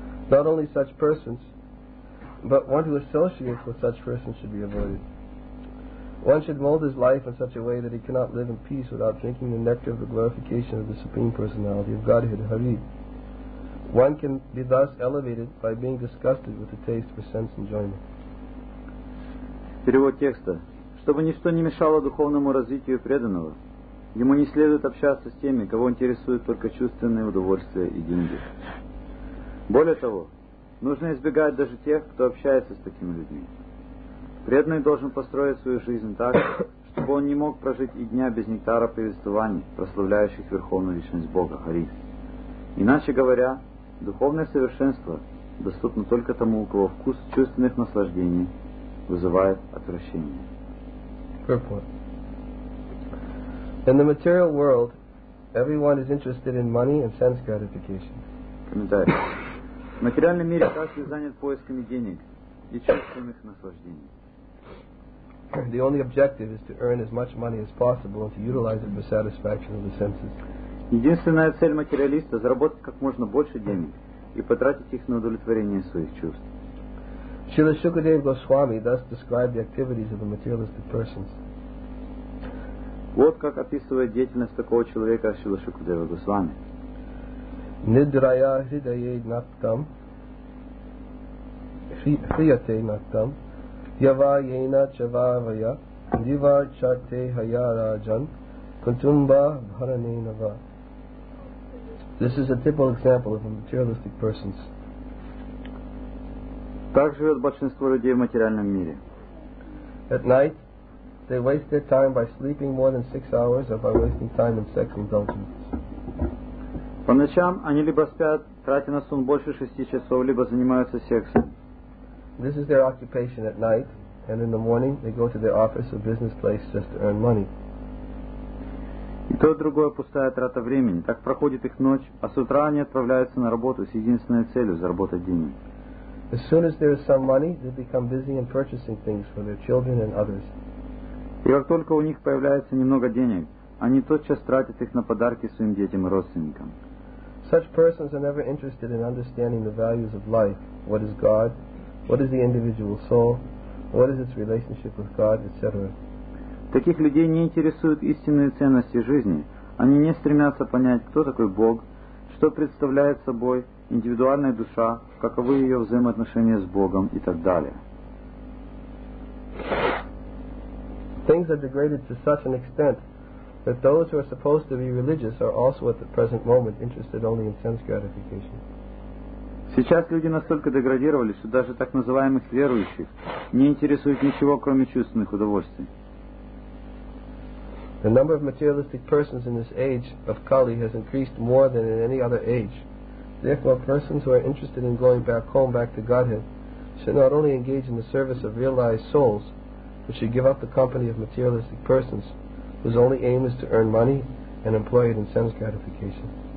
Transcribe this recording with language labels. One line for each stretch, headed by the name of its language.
English: Not only such persons, but one who associates with such persons should be avoided. One should mold his life in such a way that he cannot live in peace without drinking the nectar of the glorification of the Supreme Personality of Godhead, Hari. One can be thus elevated by being disgusted with the taste for sense enjoyment.
Russian: Перевод текста. Чтобы ничто не мешало духовному развитию преданного, ему не следует общаться с теми, кого интересуют только чувственные удовольствия и деньги. Более того, нужно избегать даже тех, кто общается с такими людьми. Преданный должен построить свою жизнь так, чтобы он не мог прожить и дня без нектара повествований, прославляющих Верховную Личность Бога, Хари. Иначе говоря, духовное совершенство доступно только тому, у кого вкус чувственных наслаждений вызывает отвращение.
English: In the material world, everyone is interested in money and sense gratification.
Russian: Комментарий. В материальном мире каждый занят поисками денег и чувственных наслаждений.
English: The only objective is to earn as much money as possible and to utilize it for satisfaction of the senses.
Russian: Единственная цель материалиста – заработать как можно больше денег и потратить их на удовлетворение своих чувств.
English: Srila Shukadeva Goswami thus described the activities of the materialistic persons.
Russian: Вот как описывает деятельность такого человека Srila Shukadeva Goswami.
Sanskrit: Nidraya hridaye naktam hriyate naktam yava yena chavavaya diva chate haya rajan kutumba bharane nava.
English: This is a typical example of a materialistic person.
Russian: Так живет большинство людей в материальном мире.
English: At night, they waste their time by sleeping more than 6 hours or by wasting time in sex indulgences.
Russian: По ночам они либо спят, тратя на сон больше 6 часов, либо занимаются сексом.
English: This is their occupation at night, and in the morning they go to their office or business place just to earn money.
Russian: И то, и другое пустая трата времени. Так проходит их ночь, а с утра они отправляются на работу с единственной целью – заработать денег.
English: As soon as there is some money, they become busy in purchasing things for their children and others.
Russian: И как только у них появляется немного денег, они тотчас тратят их на подарки своим детям и родственникам.
English: Such persons are never interested in understanding the values of life. What is God? What is the individual soul? What is its relationship with God, etc.
Russian: Таких людей не интересуют истинные ценности жизни. Они не стремятся понять, кто такой Бог, что представляет собой индивидуальная душа, каковы ее взаимоотношения с Богом и так далее.
English: Things are degraded to such an extent that those who are supposed to be religious are also at the present moment interested only in sense gratification.
Russian: Сейчас люди настолько деградировали, что даже так называемых верующих не интересует ничего, кроме чувственных удовольствий.
English: The number of materialistic persons in this age of Kali has increased more than in any other age. Therefore, persons who are interested in going back home, back to Godhead, should not only engage in the service of realized souls, but should give up the company of materialistic persons whose only aim is to earn money and employ it in sense gratification.